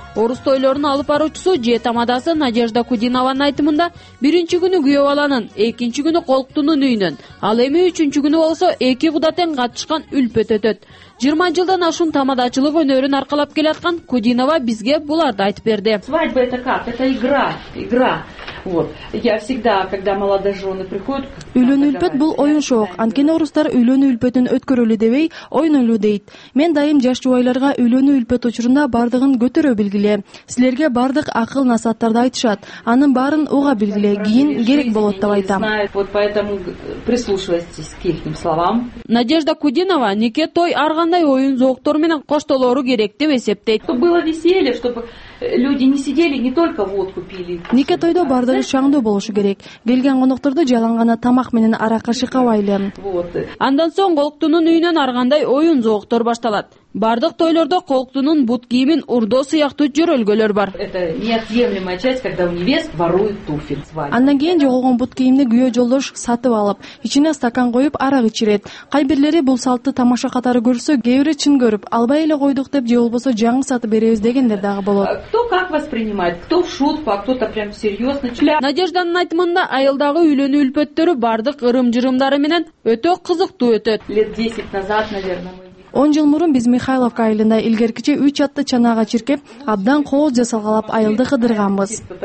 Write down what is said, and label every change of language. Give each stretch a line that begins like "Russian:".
Kyrgyz: Орус тойлорун алып баруучусу же тамадасы Надежда Кудинованын айтымында, биринчи күнү күйөө баланын, экинчи күнү колктунун үйүнөн, ал эми үчүнчү күнү болсо эки куда тең катышкан үлпөт өтөт. 20 жылдан ашуун тамадачылык өнөрүн аркалап келаткан Кудинова бизге буларды айтып берди.
Russian: Свадьба это как? Это игра, игра. Вот. Я всегда, когда молодожёны приходят,
Kyrgyz: үйлөнүү үлпөт бул оюншоок. Анткени орустар үйлөнүү үлпөтүн өткөрөлү дебей, ойнолу дейт. Мен дайым жаш жубайларга үйлөнүү үлпөт учурунда бардыгын көтөрө билгиле. Силерге бардык акыл насаттарды айтышат. Анын баарын уга билгиле, кийин керек болот деп айтам.
Russian: Вот поэтому прислушивайтесь к их словам.
Kyrgyz: Надежда Кудинова нике той ар кандай оюн зоктор менен коштолору керек деп эсептейт.
Russian: Чтобы было веселье, чтобы люди не сидели, не только водку пили.
Kyrgyz: Нике тойдо бардыгы шаңдуу болушу керек. Келген конокторду жалаң гана тамак менен арака шыкабайлы. Андан соң колктунун үйүнөн ар кандай оюн зоктор башталат. Бардык тойлордо колктунун бут кийимин урдоо сыяктуу жөрөлгөлөр бар.
Russian: Это неотъемлемая часть, когда у невест воруют туфель свадьбы.
Kyrgyz: Андан кийин жоголгон бут кийимди күйөө жолдош сатып алып, ичине стакан коюп арак ичирет. Кай бирлери бул салтты тамаша катары көрсө, кээ бири чын көрүп, албай эле койдук деп же болбосо жаңы сатып беребиз дегендер дагы болот.
Russian: Кто как воспринимает? Кто в шутку, а кто-то прям серьёзно.
Kyrgyz: Надежданын айтымында айылдагы үйлөнүү үлпөттөрү бардык ырым-жырымдары менен өтө кызыктуу өтөт.
Russian: Лет 10 назад, наверное,
Kyrgyz: 10 жыл мурун биз Михайловка айылында илгеркиче 3 атты чанага чиркеп, абдан кооз жасалгалап айылды кыдырганбыз.